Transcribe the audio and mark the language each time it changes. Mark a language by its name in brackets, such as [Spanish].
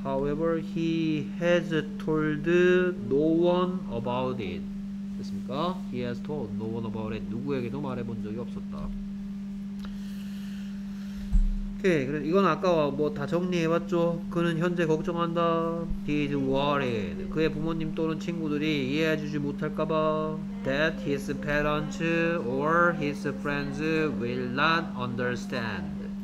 [English] however he has told no one about it. 됐습니까? he has told no one about it. [Korean] 누구에게도 말해 본 적이 없었다. 오케이. 이건 아까 뭐 다 정리해봤죠. 그는 현재 걱정한다. He is worried. 그의 부모님 또는 친구들이 이해해주지 못할까봐. [English] That his parents or his friends will not understand.